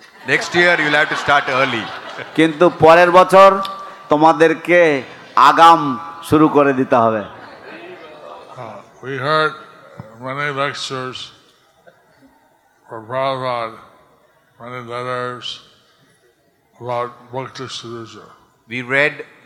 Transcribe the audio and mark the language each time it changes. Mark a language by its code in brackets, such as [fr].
[en] Next year you'll have to start early. [bn] কিন্তু পরের বছর তোমাদেরকে আগাম শুরু করে দিতে হবে। [en] We heard many lectures for Prabhupada, many letters about book distribution.